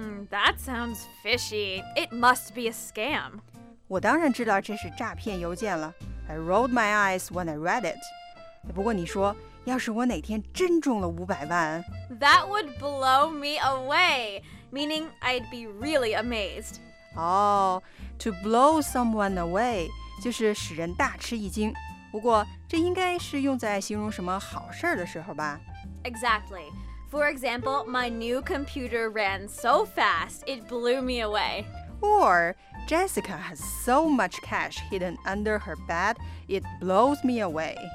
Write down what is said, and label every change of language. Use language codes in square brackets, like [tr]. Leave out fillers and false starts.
[en] That sounds fishy. It must be a scam. [zh] 我当然知道这是诈骗邮件了。 [en] I rolled my eyes when I read it. [zh] 不过你说，要是我哪天真中了500万 [en] That would blow me away, meaning I'd be really amazed. Oh, to blow someone away [zh] 就是使人大吃一惊。不过这应该是用在形容什么好事的时候吧。 [en] Exactly. For example, my new computer ran so fast, it blew me away. Or... Jessica has so much cash hidden under her bed, it blows me away.